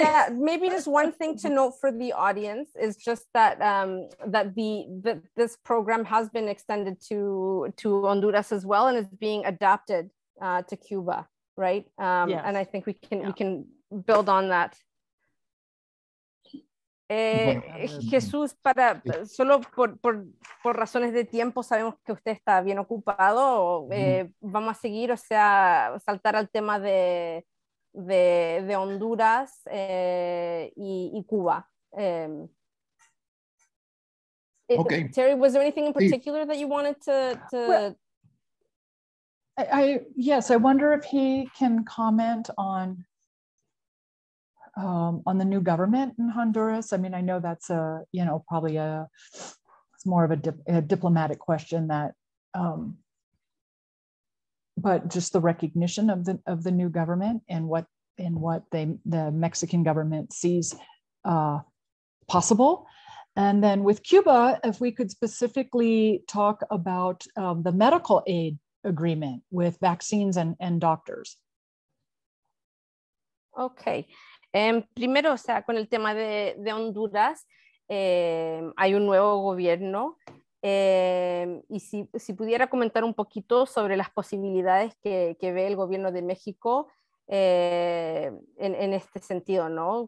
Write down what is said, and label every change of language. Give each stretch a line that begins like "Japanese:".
English: Yeah, maybe just one thing to note for the audience is just that that this program has been extended to Honduras as well, and is being adapted to Cuba, right? Yes. And I think we can build on that.
Spanish: Jesús, para solo por razones de tiempo, sabemos que usted está bien ocupado. Vamos a seguir, o sea, saltar al tema de Honduras y Cuba.
English: Okay. Terry, was there anything in particular that you wanted to? I wonder if he can comment on the new government in Honduras. I mean, I know that's it's more of a diplomatic question that, but just the recognition of the new government and what the Mexican government sees possible. And then with Cuba, if we could specifically talk about the medical aid agreement with vaccines and doctors. Okay.
Spanish: Primero, o sea, con el tema de Honduras, hay un nuevo gobierno. Y si pudiera comentar un poquito sobre las posibilidades que ve el gobierno de México en este sentido, ¿no?